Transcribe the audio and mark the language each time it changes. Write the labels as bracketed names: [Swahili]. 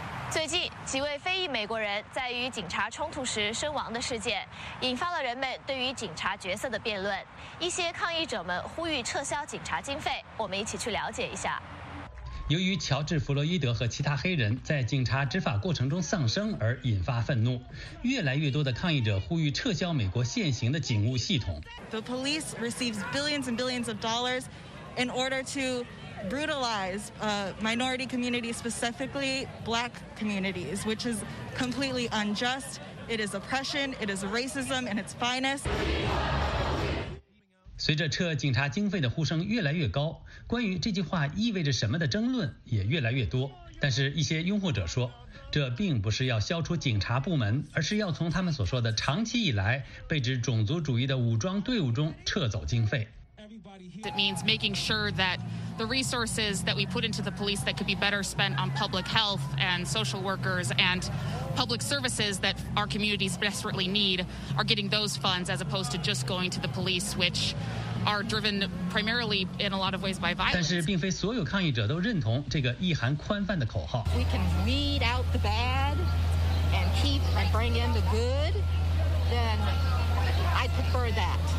[Chinese] 最近，几位非裔美国人在与警察冲突时身亡的事件，引发了人们对于警察角色的辩论。一些抗议者们呼吁撤销警察经费，我们一起去了解一下。由于乔治·弗洛伊德和其他黑人在警察执法过程中丧生而引发愤怒，越来越多的抗议者呼吁撤销美国现行的警务系统。 [English] The police receives billions and billions of dollars in order to brutalize minority communities, specifically black communities, which is completely unjust. It is oppression. It is racism in its finest. [Chinese] 随着撤警察经费的呼声越来越高，关于这句话意味着什么的争论也越来越多。但是一些拥护者说，这并不是要消除警察部门，而是要从他们所说的长期以来被指种族主义的武装队伍中撤走经费。 [English] It means making sure that the resources that we put into the police that could be better spent on public health and social workers and public services that our communities desperately need are getting those funds as opposed to just going to the police, which are driven primarily in a lot of ways by violence. [Chinese] 但是并非所有抗议者都认同这个意涵宽泛的口号。 [English] We can weed out the bad and keep and bring in the good, then I prefer that.